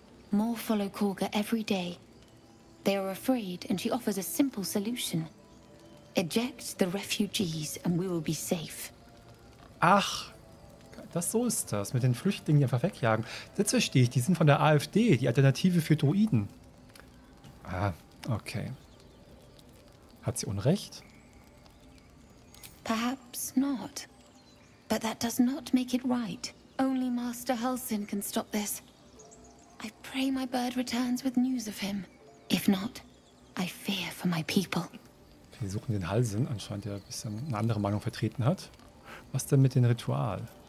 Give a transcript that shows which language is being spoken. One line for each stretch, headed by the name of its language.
English: More follow Korga every day. They are afraid, and she offers a simple solution. Eject the refugees, and we will be safe.
German: Ach. Das so ist das, mit den Flüchtlingen, die einfach wegjagen. Jetzt verstehe ich, die sind von der AfD, die Alternative für Droiden. Ah, Okay. Hat sie Unrecht?
English: Perhaps not. But that does not make it right. Only Master Hulsin can stop this. I pray my bird returns with news of him. If not, I fear for my people.
German: Wir suchen den Hulsin, anscheinend der ein bisschen eine andere Meinung vertreten hat. Was denn mit dem Ritual?